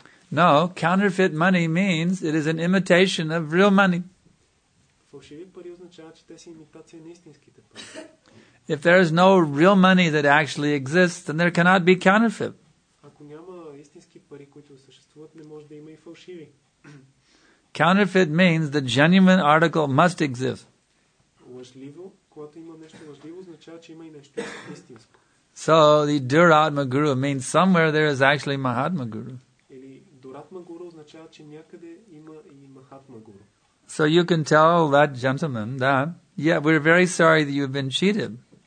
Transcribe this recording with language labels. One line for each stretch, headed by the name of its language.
English: No, counterfeit money means it is an imitation of real money.
Bulgarian: Фалшиви пари означават, че те са имитация на истинските пари.
English: If there is no real money that actually exists, then there cannot be counterfeit.
Bulgarian: Ако няма истински пари, които съществуват, не може да има и фалшиви.
English: Counterfeit means the genuine article must exist.
Bulgarian: Лъжливо, когато има нещо лъжливо, означава, че има и нещо истинско.
English: So, the Duratma Guru means somewhere there is actually Mahatma Guru.
Bulgarian: Или Duratma Guru означава, че някъде има и Mahatma Guru.
English: So you can tell that gentleman that, yeah, we're very sorry that you've been cheated.